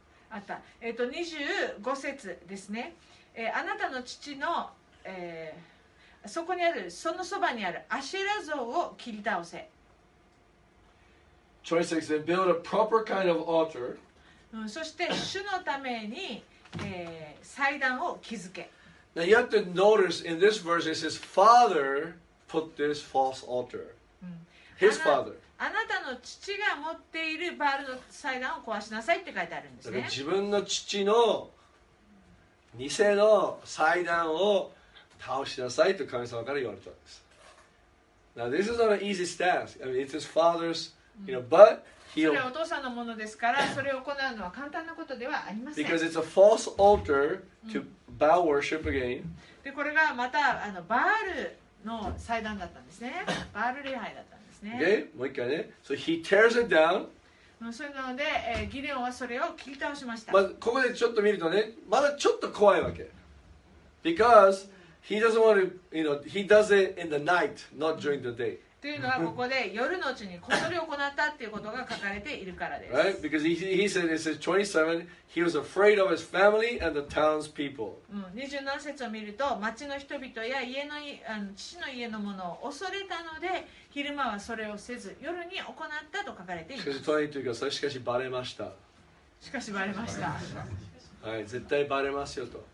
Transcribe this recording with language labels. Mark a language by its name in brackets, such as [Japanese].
[Japanese] あった、25節ですね、あなたの父の、そこにあるそのそばにあるアシェラ像を切り倒せ。 [English] 26 they build a proper kind of altar、 [Japanese] そして主のために、祭壇を築け。 [English] Now you have to notice in this verse it says father put this false altar、his father、 [Japanese] あなたの父が持っているバールの祭壇を壊しなさいって書いてあるんですね。自分の父の偽の祭壇を倒しなさいと神様から言われたんです。 [English] Now this is not an easy stance. I mean, it's his father's, you know, but he'll... [Japanese] それはお父さんのものですから、それを行うのは簡単なことではありません。 [English] Because it's a false altar to Baal worship again. [Japanese] で、これがまたあのバールの祭壇だったんですね。バール礼拝だった。 [English] Okay, [Japanese] もう一回ね。 [English] So he tears it down. [Japanese] それなので、ギデオはそれを切り倒しました。まずここでちょっと見るとね、まだちょっと怖いわけ。 [English] Because he doesn't want to, you know, he does it in the night, not during the day. [Japanese] というのはここで夜のうちにこそり行ったっていうことが書かれているからです。 [English] Right? Because he said it says 27, he was afraid of his family and the town's people. [Japanese] 27節を見ると、町の人々や家の、あの、父の家のものを恐れたので、昼間はそれをせず夜に行ったと書かれています。しかし、22というか、しかしバレました。しかしバレました。はい、絶対バレますよと。